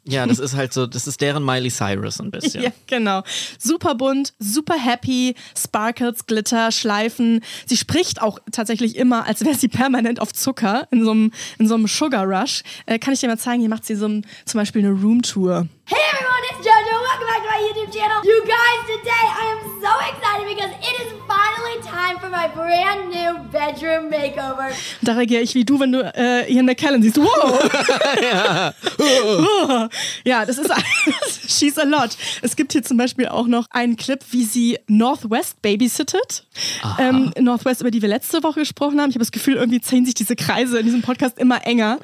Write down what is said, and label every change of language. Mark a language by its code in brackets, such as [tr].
[de] Ja, das ist halt so, das ist deren Miley Cyrus ein bisschen. Ja, genau. Super bunt, super happy, Sparkles, Glitter, Schleifen. Sie spricht auch tatsächlich immer, als wäre sie permanent auf Zucker in so einem Sugar Rush. Kann ich dir mal zeigen, hier macht sie so zum Beispiel eine Roomtour. [en] Hey everyone, it's JoJo. Welcome back to my YouTube channel. You guys, today I am so excited because it is finally time for my brand new bedroom makeover. [de] Da reagiere ich wie du, wenn du Ian McKellen siehst. Wow! Ja, das ist [en] she's a lot. [de] Es gibt hier zum Beispiel auch noch einen Clip, wie sie Northwest babysittet. Northwest, über die wir letzte Woche gesprochen haben. Ich habe das Gefühl, irgendwie ziehen sich diese Kreise in diesem Podcast immer enger.